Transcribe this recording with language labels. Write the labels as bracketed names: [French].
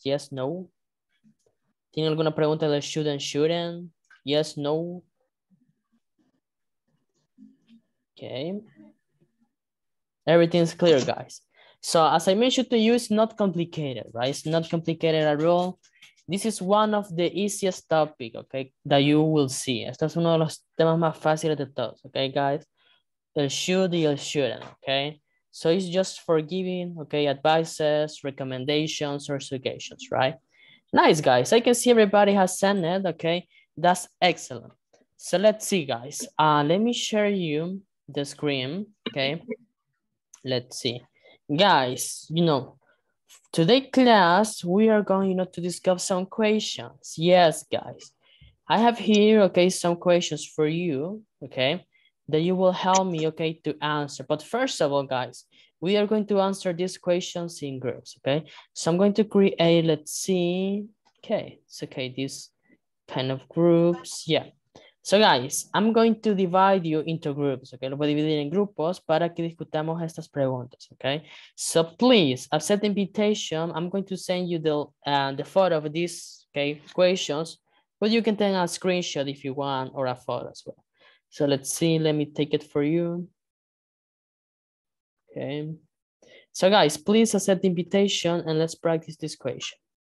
[English] Yes, no? [Spanish] ¿Tiene alguna pregunta de should and shouldn't? Yes, no? [English] Okay. Everything's clear, guys. So, as I mentioned to you, it's not complicated, right? It's not complicated at all. This is one of the easiest topics, okay, that you will see. [Spanish] Este es uno de los temas más fáciles de todos, okay, guys? [English] El should y el shouldn't, okay? So it's just for giving, okay, advices, recommendations, or suggestions, right? Nice, guys. I can see everybody has sent it, okay? That's excellent. So let's see, guys. Let me share you the screen, okay? Let's see. Guys, you know, today class, we are going, you know, to discuss some questions. Yes, guys. I have here, okay, some questions for you, okay, that you will help me, okay, to answer. But first of all, guys, we are going to answer these questions in groups, okay? So I'm going to create, let's see, okay, it's okay, these kind of groups, yeah. So guys, I'm going to divide you into groups, okay? [Spanish] Lo voy a dividir en grupos para que discutamos estas preguntas, okay? [English] So please, accept the invitation. I'm going to send you the photo of these, okay, questions, but you can take a screenshot if you want or a photo as well. So let's see, let me take it for you. Okay. So guys, please accept the invitation and let's practice this question.